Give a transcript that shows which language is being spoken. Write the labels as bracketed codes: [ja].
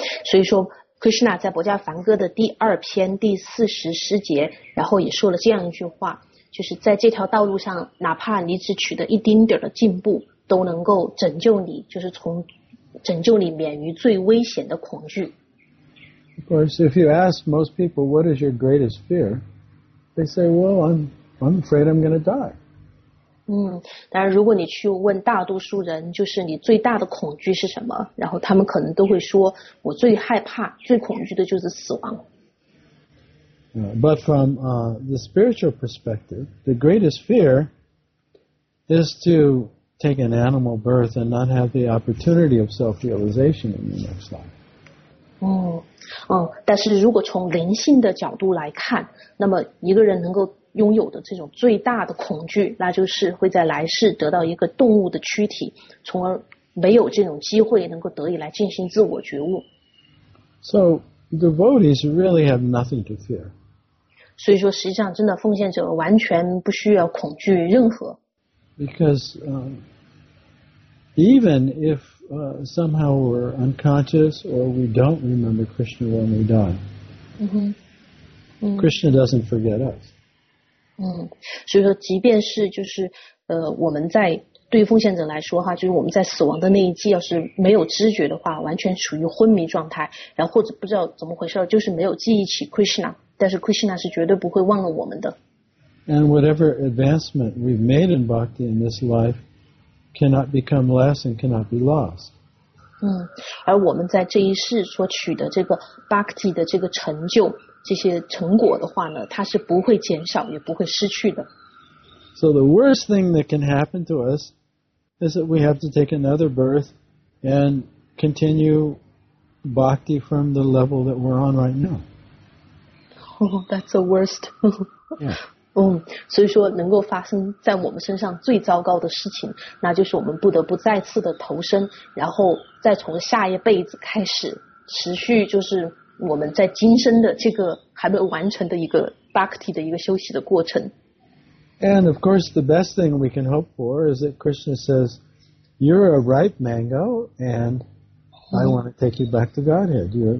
[zh] 所以说 Krishna 在薄伽梵歌的第二篇第四十诗节，然后也说了这样一句话，就是在这条道路上，哪怕你只取得一丁点的进步，都能够拯救你，就是从拯救你免于最危险的恐惧。 [en] Of course, if you ask most people what is your greatest fear, they say, "Well, I'm afraid I'm going to die." [zh] 当然，如果你去问大多数人，就是你最大的恐惧是什么，然后他们可能都会说，我最害怕、最恐惧的就是死亡。 [en] But from the spiritual perspective, the greatest fear is to take an animal birth and not have the opportunity of self-realization in the next life. [zh] 但是如果从灵性的角度来看，那么一个人能够拥有的这种最大的恐惧，那就是会在来世得到一个动物的躯体，从而没有这种机会能够得以来进行自我觉悟。 [en] So devotees really have nothing to fear. [zh] 所以说实际上真的奉献者完全不需要恐惧任何。 [en] Because even if somehow we're unconscious or we don't remember Krishna when we die, Krishna doesn't forget us. [zh] 所以说即便是就是我们在对于奉献者来说哈，就是我们在死亡的那一季要是没有知觉的话，完全处于昏迷状态，然后或者不知道怎么回事，就是没有记忆起 Krishna, 但是 Krishna 是绝对不会忘了我们的。 [en] And whatever advancement we've made in bhakti in this life cannot become less and cannot be lost. [zh] 而我们在这一世所取得这个 bhakti 的这个成就，这些成果的话呢，它是不会减少，也不会失去的。 [en] So the worst thing that can happen to us is that we have to take another birth and continue bhakti from the level that we're on right now. Oh, that's the worst. Yeah. [zh] 所以说能够发生在我们身上最糟糕的事情，那就是我们不得不再次的投生，然后再从下一辈子开始持续，就是我们在今生的这个还没有完成的一个 bhakti 的一个休息的过程。 [en] And of course, the best thing we can hope for is that Krishna says, "You're a ripe mango, and I want to take you back to Godhead.